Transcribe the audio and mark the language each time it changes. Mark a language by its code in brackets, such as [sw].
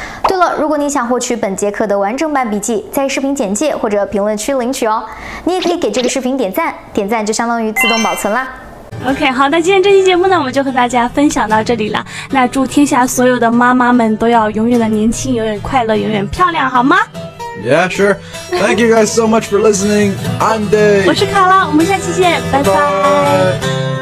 [zh] 对了，如果你想获取本节课的完整版笔记，在视频简介或者评论区领取哦。你也可以给这个视频点赞，点赞就相当于自动保存啦。 OK, 好，那今天这期节目呢，我们就和大家分享到这里了。那祝天下所有的妈妈们都要永远的年轻，永远快乐，永远漂亮，好吗？ [en] Yeah, sure. Thank you guys so much for listening. I'm Dave. [zh] 我是卡拉，我们下期见，拜拜。